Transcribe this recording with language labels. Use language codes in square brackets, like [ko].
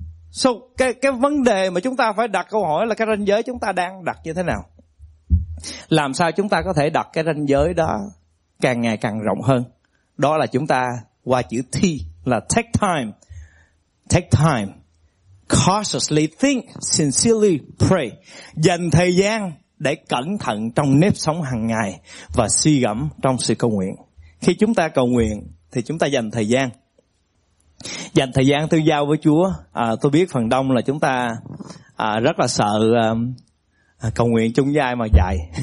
[vi] So, cái vấn đề mà chúng ta phải đặt câu hỏi là cái ranh giới chúng ta đang đặt như thế nào? Làm sao chúng ta có thể đặt cái ranh giới đó càng ngày càng rộng hơn? Đó là chúng ta qua chữ T là take time. Take time. [en] cautiously think, sincerely pray. [vi] Dành thời gian để cẩn thận trong nếp sống hàng ngày và suy gẫm trong sự cầu nguyện. Khi chúng ta cầu nguyện thì chúng ta dành thời gian. Dành thời gian tiêu giao với Chúa. Tôi biết phần đông là chúng ta rất là sợ cầu nguyện chung với ai mà dài.